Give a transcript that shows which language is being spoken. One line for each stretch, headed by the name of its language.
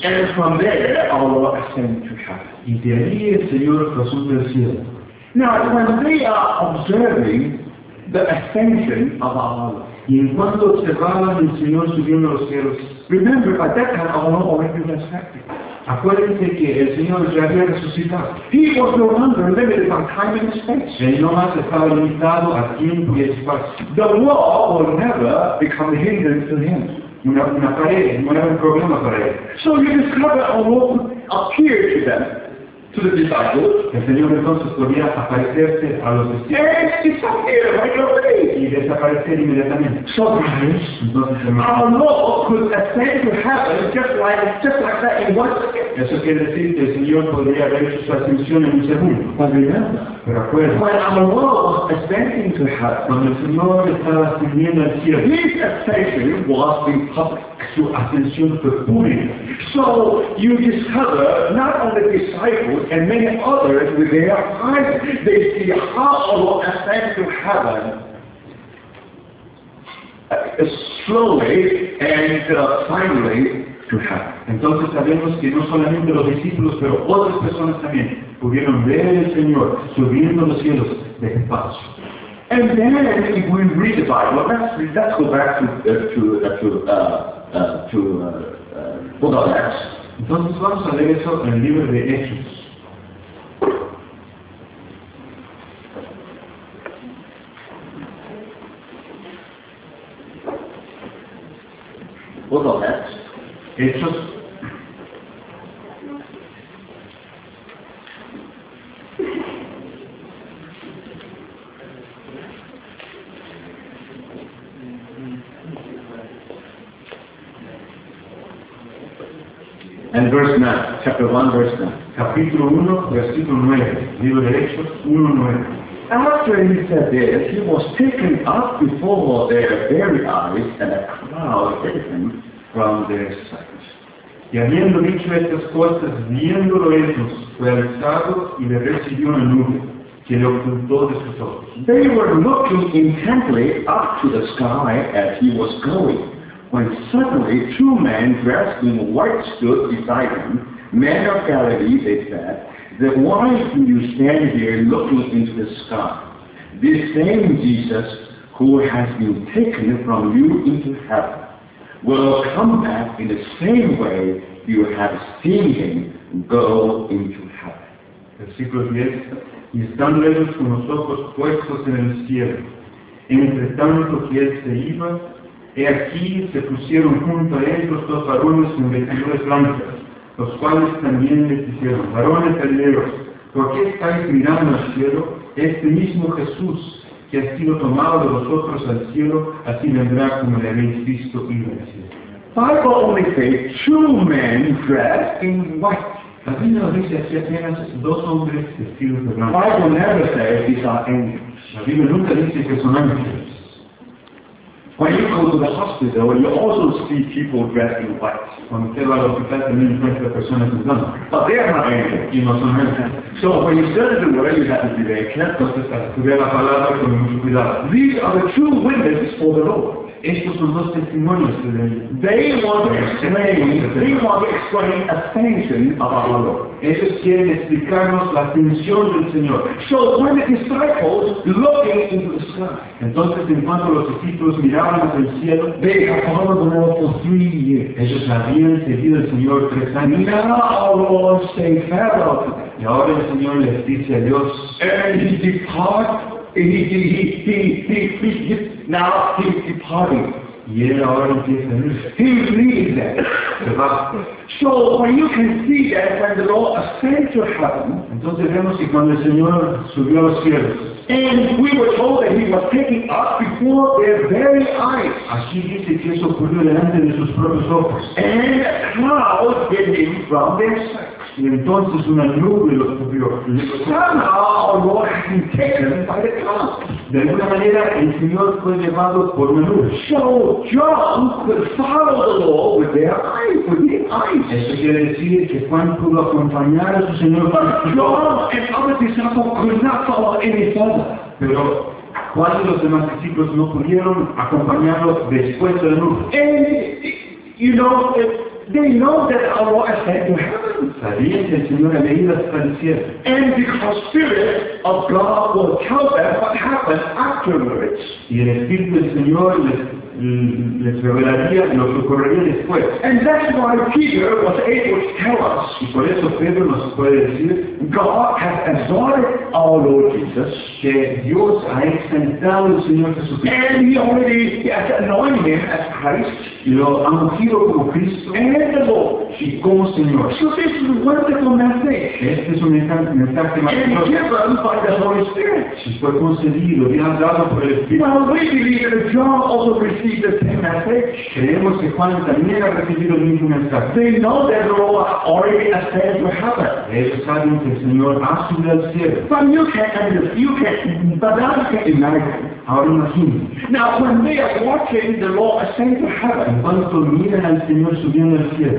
English: And from there, our Lord ascended to heaven.
Spanish: Y de ahí el Señor pasó al cielo.
English: Now, when they are observing the ascension of our Lord.
Spanish: Y en cuanto observaban el Señor subiendo a los cielos.
English: Remember, by that time, our Lord already resurrected.
Spanish: Acuérdense que el Señor ya había resucitado.
English: He was no longer limited by time and space.
Spanish: Él no más estaba limitado a tiempo y espacio.
English: The law will never become a hindrance to him.
Spanish: Una pared, no era un problema para él.
English: So you discover a law would appear to them, to the disciples.
Spanish: El Señor entonces podía aparecerse a los discípulos.
English: And disappear right away.
Spanish: Y desaparecer inmediatamente.
English: So, brothers, our Lord could ascend to heaven just like that in one second.
Spanish: Eso quiere decir que el Señor podría haber hecho su ascensión en un segundo.
English: But remember,
Spanish: pero acuérdense,
English: when our Lord was ascending to heaven,
Spanish: cuando el Señor estaba ascendiendo al cielo,
English: his ascension was in public.
Spanish: Su ascensión fue pública.
English: So you discover not only disciples and many others with their eyes, they see how our Lord ascends to heaven. slowly and finally to heaven.
Spanish: Entonces sabemos que no solamente los discípulos, pero otras personas también pudieron ver al Señor subiendo los cielos de espacio.
English: And then if we read the Bible, let's go back to book of Acts.
Spanish: Entonces vamos a leer eso en el libro de Hechos.
English: Book of Acts.
Spanish: Hechos.
English: And verse 9, chapter 1, verse 9.
Spanish: Capítulo 1, versículo 9. Libro de Hechos 1, 9.
English: After he said this, he was taken up before their very eyes, and a cloud hid him from their sight.
Spanish: Y habiendo dicho estas cosas, viéndolo ellos, fue alzado y le recibió una nube que le ocultó de sus ojos.
English: They were looking intently up to the sky as he was going, when suddenly two men dressed in white stood beside him. Men of Galilee, they said, then why do you stand here looking into the sky? This same Jesus, who has been taken from you into heaven, will come back in the same way you have seen him go into heaven.
Spanish: Versículo 10. Y están lejos con los ojos puestos en el cielo. Entre tanto que él se iba, he aquí se pusieron junto a ellos dos varones con vestiduras blancas, los cuales también les dijeron: varones galileos, ¿por qué estáis mirando al cielo? Este mismo Jesús que ha sido tomado de vosotros al cielo, así vendrá como le habéis visto ir al cielo.
English: Bible only says two men dressed in white.
Spanish: La Biblia dice así apenas dos hombres vestidos de blanco.
English: Bible never says these are angels.
Spanish: La Biblia nunca dice que son ángeles.
English: When you go to the hospital, you also see people dressed in white.
Spanish: Cuando te vas al hospital, también ves a personas en blanco.
English: But they are not angels.
Spanish: Y no son ángeles.
English: So when you study the word, you have to be very careful.
Spanish: Entonces, estudiar la palabra con mucho cuidado.
English: These are the true witnesses for the Lord.
Spanish: Estos son los testimonios de Dios.
English: They want to explain. They want to explain ascension of our Lord.
Spanish: Ellos quieren explicarnos la ascensión del Señor.
English: So when the disciples looking into the sky,
Spanish: entonces en cuanto los discípulos miraban hacia el cielo,
English: they have followed the Lord for 3 years.
Spanish: Ellos habían seguido al Señor 3 años.
English: Now Lord, say farewell to them.
Spanish: Y ahora el Señor les dice adiós.
English: And he depart. He now he's departing.
Spanish: Y él ahora empieza a irse.
English: He leaves them.
Spanish: Se va.
English: So when you can see that when the Lord ascended to heaven,
Spanish: entonces vemos que cuando el Señor subió a los cielos,
English: and we were told that he was taken up before their very eyes.
Spanish: Así dice que eso ocurrió delante de sus propios ojos.
English: And a cloud hid him from their sight.
Spanish: Y entonces una nube los cubrió.
English: Somehow the Lord has been taken by the cloud.
Spanish: De alguna manera el Señor fue llevado por una nube.
English: So John could follow the Lord with their eyes, with his eyes.
Spanish: Eso quiere decir que Juan pudo acompañar a su Señor.
English: But John and other disciples could not follow any further.
Spanish: Pero Juan y los demás discípulos no pudieron acompañarlo después de la nube.
English: And you know, they know that our Lord ascended to heaven.
Spanish: Sabían que el Señor había ido hasta el cielo.
English: And because Spirit of God will tell them what happened afterwards.
Spanish: Y el Espíritu del Señor les revelaría lo que ocurriría después.
English: And that's why Peter was able to tell us.
Spanish: Y por eso Pedro nos puede decir,
English: God has exalted our Lord Jesus.
Spanish: Que Dios ha exaltado al Señor Jesucristo.
English: And he already has anointed him as Christ.
Spanish: Y lo ha ungido como Cristo.
English: And the Lord.
Spanish: Y como Señor.
English: So this is a wonderful message.
Spanish: Este es un mensaje maravilloso.
English: And given by the Holy Spirit.
Spanish: Y fue concedido y ha dado por el Espíritu.
English: Well, we believe that John also received the same message.
Spanish: Creemos que Juan también ha recibido el mismo mensaje.
English: They know that the Lord already ascended to heaven.
Spanish: Ellos saben que el Señor ha subido al cielo.
English: But you can't understand. You can't. But now you can't imagine.
Spanish: Ahora imagine.
English: Now when they are watching the Lord ascend to heaven,
Spanish: en cuanto miran al Señor subiendo al cielo,